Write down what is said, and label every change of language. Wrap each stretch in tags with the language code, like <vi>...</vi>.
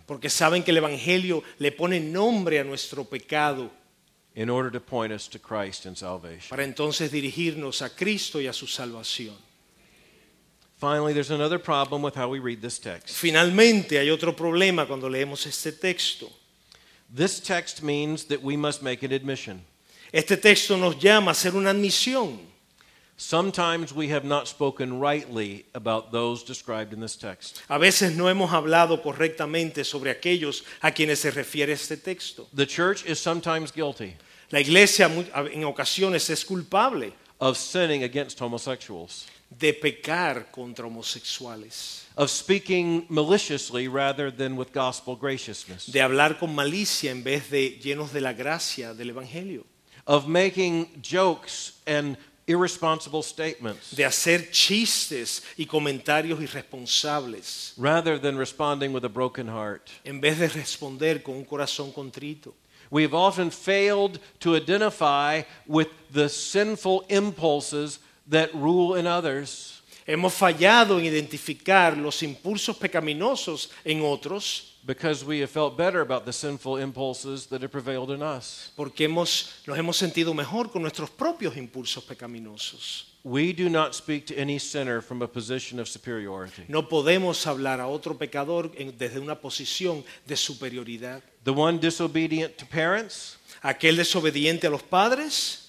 <es>Porque saben que el evangelio le pone nombre a nuestro pecado.</es> <en>In order to point us to Christ and salvation.</en> <es>Para entonces dirigirnos a Cristo y a su salvación.</es> <en>Finally, there's another problem with how we read this text.</en> <es>Finalmente, hay otro problema cuando leemos este texto.</es> <en>This text means that we must make an admission.</en> <es>Este texto nos llama a hacer una admisión.</es> <en>Sometimes we have not spoken rightly about those described in this text.</en> <es>A veces no hemos hablado correctamente sobre aquellos a quienes se refiere este texto.</es> <en>The church is sometimes guilty.</en> <es>La iglesia en ocasiones es culpable.</es> <en>Of sinning against homosexuals.</en> <es>De pecar contra homosexuales.</es> <en>Of speaking maliciously rather than with gospel graciousness.</en> <es>De hablar con malicia en vez de llenos de la gracia del evangelio.</es> <en>Of making jokes and irresponsible statements.</en> <es>De hacer chistes y comentarios irresponsables.</es> <en>Rather than responding with a broken heart.</en> <es>En vez de responder con un corazón contrito.</es> <en>We have often failed to identify with the sinful impulses that rule in others.</en> <es>Hemos fallado en identificar los impulsos pecaminosos en otros.</es> <en>Because we have felt better about the sinful impulses that have prevailed in us.</en> <es>Porque nos hemos sentido mejor con nuestros propios impulsos pecaminosos.</es> <en>We do not speak to any sinner from a position of superiority.</en> <es>No podemos hablar a otro pecador desde una posición de superioridad.</es> <en>The one disobedient to parents.</en> <es>Aquel desobediente a los padres.</es>